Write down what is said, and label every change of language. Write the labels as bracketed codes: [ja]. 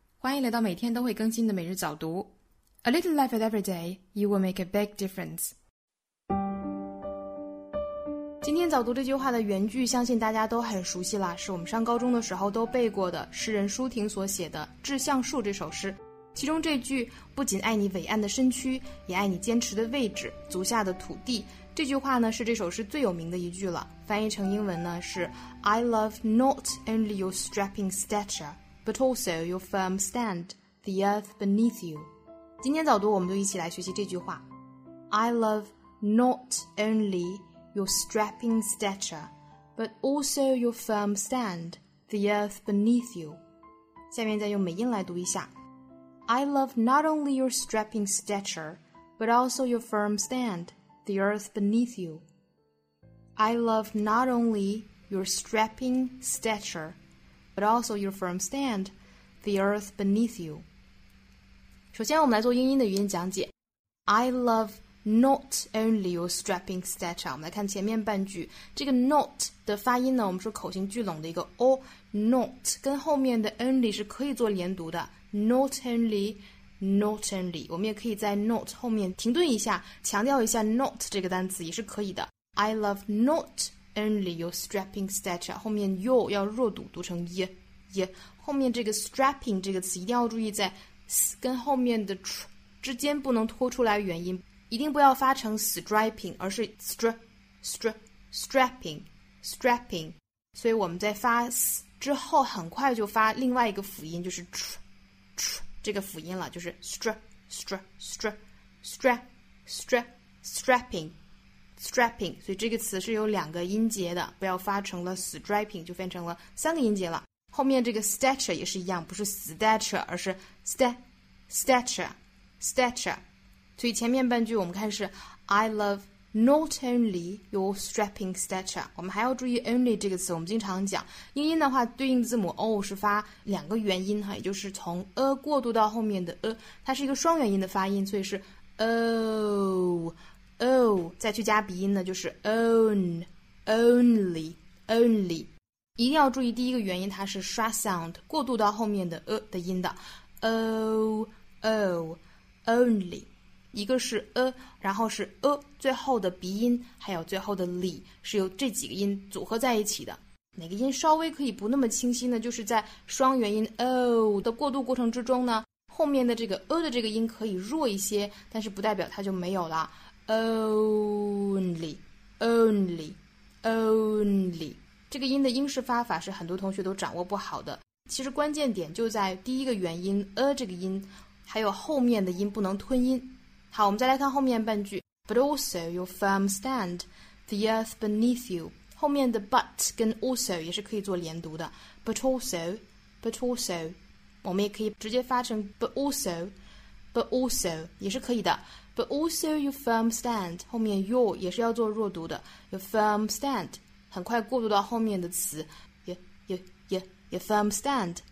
[zh] 欢迎来到每天都会更新的每日早读。 [en] A little life every day, you will make a big difference. [zh] 今天早读这句话的原句相信大家都很熟悉了，是我们上高中的时候都背过的诗人舒婷所写的《致橡树》这首诗。其中这句不仅爱你伟岸的身躯，也爱你坚持的位置，足下的土地。这句话呢是这首诗最有名的一句了，翻译成英文呢是 [en] I love not only your strapping stature, but also your firm stand, the earth beneath you. [zh] 今天早读我们就一起来学习这句话。 [en] I love not only your strapping stature, but also your firm stand, the earth beneath you. [zh] 下面再用美音来读一下。 [en] I love not only your strapping stature, but also your firm stand, the earth beneath you. I love not only your strapping stature, but also your firm stand, the earth beneath you. [zh] 首先我们来做英音的语音讲解。 [en] I love not only your strapping stature. [zh] 我们来看前面半句，这个 not 的发音呢，我们说口型聚拢的一个 o, not, 跟后面的 only 是可以做连读的。 [en] Not only, not only. [zh] 我们也可以在 not 后面停顿一下，强调一下 not 这个单词也是可以的。 [en] I love not only your strapping stature. [zh] 后面 your 要弱读，读成 ye, ye. 后面这个 strapping 这个词一定要注意在 s 跟后面的 tr 之间不能拖出来元音，一定不要发成 striping, 而是 str, str, strapping, strapping. 所以我们在发 s 之后很快就发另外一个辅音，就是 tr。这个辅音了，就是 stra, stra, stra, stra, stra, strapping, strapping. 所以这个词是有两个音节的，不要发成了 striping, 就变成了三个音节了。后面这个 stature 也是一样，不是 stature, 而是 stature, stature. 所以前面半句我们看是 [en] I love not only your strapping stature. [zh] 我们还要注意 only 这个词，我们经常讲英音的话对应字母 o 是发两个元音，也就是从 a 过渡到后面的 a, 它是一个双元音的发音，所以是 o, o, 再去加鼻音呢就是 own, only, only. 一定要注意第一个元音它是 schwa sound, 过渡到后面的 a 的音的 o, o, only. 一个是 a, 然后是 a, 最后的鼻音还有最后的 li, 是由这几个音组合在一起的。哪个音稍微可以不那么清晰呢，就是在双元音 o 的过渡过程之中呢，后面的这个 a 的这个音可以弱一些，但是不代表它就没有了。 [en] only, only, only. [zh] 这个音的英式发法是很多同学都掌握不好的。其实关键点就在第一个元音 a 这个音还有后面的音不能吞音。好，我们再来看后面半句 [en] But also your firm stand, the earth beneath you. [zh] 后面的 but 跟 also 也是可以做连读的 [en] But also, but also. [zh] 我们也可以直接发成 but also, but also 也是可以的 [en] But also your firm stand, [zh] 后面 your 也是要做弱读的 [en] Your firm stand, [zh] 很快过渡到后面的词 [en] your firm stand.